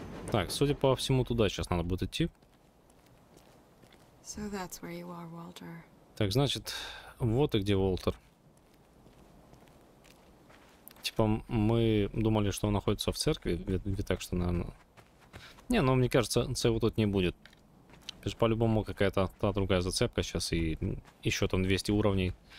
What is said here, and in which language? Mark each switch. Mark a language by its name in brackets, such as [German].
[Russian] Так, судя по всему, туда сейчас надо будет идти. [English] So that's where you are, Walter. [Russian] Так, значит, вот и где Уолтер. Типа, мы думали, что он находится в церкви, так что, наверное... Не, ну, мне кажется, его тут не будет. Это по-любому какая-то та другая зацепка сейчас, и еще там 200 уровней.